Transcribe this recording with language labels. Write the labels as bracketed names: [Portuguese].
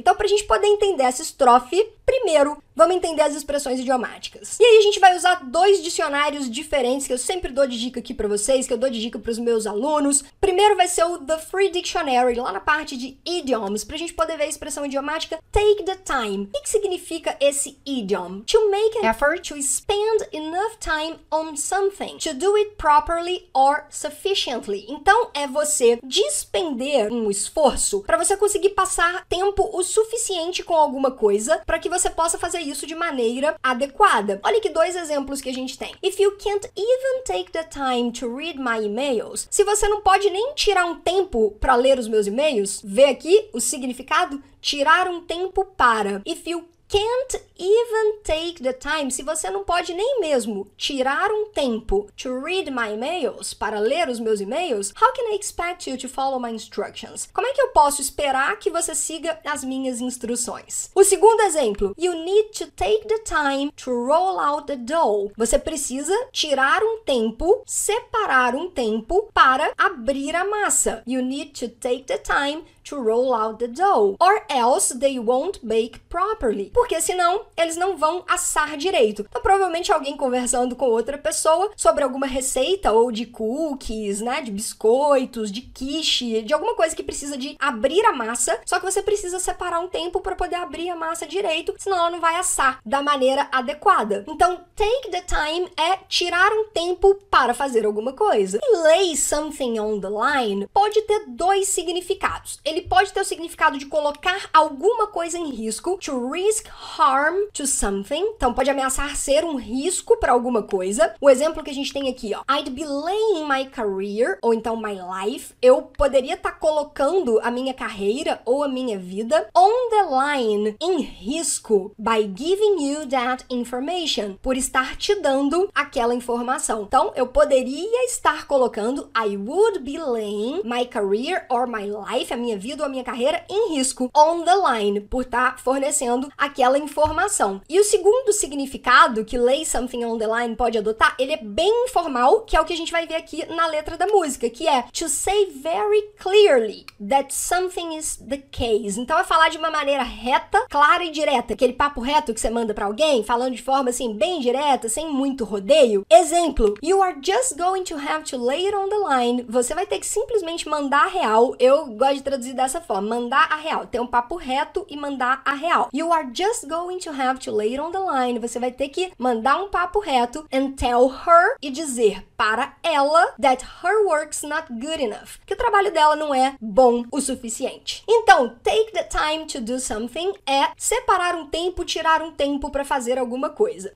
[Portuguese] Então, pra gente poder entender essa estrofe, primeiro, vamos entender as expressões idiomáticas. E aí a gente vai usar dois dicionários diferentes que eu sempre dou de dica aqui pra vocês, que eu dou de dica pros meus alunos. Primeiro vai ser o The Free Dictionary, lá na parte de idioms, pra gente poder ver a expressão idiomática take the time. O que significa esse idiom? [English] To make an effort to spend enough time on something. To do it properly or sufficiently. [Portuguese] Então, é você despender um esforço pra você conseguir passar tempo o suficiente com alguma coisa pra que você possa fazer isso de maneira adequada. Olha que dois exemplos que a gente tem. [English] If you can't even take the time to read my emails. [Portuguese] Se você não pode nem tirar um tempo pra ler os meus e-mails, vê aqui o significado. Tirar um tempo para. [English] If you can't even take the time, [Portuguese] se você não pode nem mesmo tirar um tempo [English] to read my emails, [Portuguese] para ler os meus e-mails, [English] how can I expect you to follow my instructions? [Portuguese] Como é que eu posso esperar que você siga as minhas instruções? O segundo exemplo, [English] you need to take the time to roll out the dough. [Portuguese] Você precisa tirar um tempo, separar um tempo para abrir a massa. [English] You need to take the time to roll out the dough, or else they won't bake properly. [Portuguese] Porque senão, eles não vão assar direito. Então, provavelmente, alguém conversando com outra pessoa sobre alguma receita ou de cookies, né? De biscoitos, de quiche, de alguma coisa que precisa de abrir a massa. Só que você precisa separar um tempo para poder abrir a massa direito, senão ela não vai assar da maneira adequada. Então, take the time é tirar um tempo para fazer alguma coisa. E lay something on the line pode ter dois significados. Ele pode ter o significado de colocar alguma coisa em risco, [English] to risk harm to something. [Portuguese] Então, pode ameaçar ser um risco para alguma coisa. O exemplo que a gente tem aqui, ó. [English] I'd be laying my career, [Portuguese] ou então [English] my life. [Portuguese] Eu poderia estar colocando a minha carreira ou a minha vida on the line, em risco, [English] by giving you that information. [Portuguese] Por estar te dando aquela informação. Então, eu poderia estar colocando [English] I would be laying my career or my life, [Portuguese] a minha vida ou a minha carreira, em risco, on the line, por estar fornecendo aquela informação. informação. E o segundo significado que lay something on the line pode adotar, ele é bem informal, que é o que a gente vai ver aqui na letra da música, que é [English] to say very clearly that something is the case. [Portuguese] Então é falar de uma maneira reta, clara e direta. Aquele papo reto que você manda pra alguém, falando de forma assim, bem direta, sem muito rodeio. [English] Exemplo, you are just going to have to lay it on the line. [Portuguese] Você vai ter que simplesmente mandar a real. Eu gosto de traduzir dessa forma, mandar a real. Ter um papo reto e mandar a real. [English] You are just going to have to lay it on the line. [Portuguese] Você vai ter que mandar um papo reto [English] and tell her [Portuguese] e dizer para ela [English] that her work's not good enough. [Portuguese] Que o trabalho dela não é bom o suficiente. Então, take the time to do something é separar um tempo, tirar um tempo para fazer alguma coisa.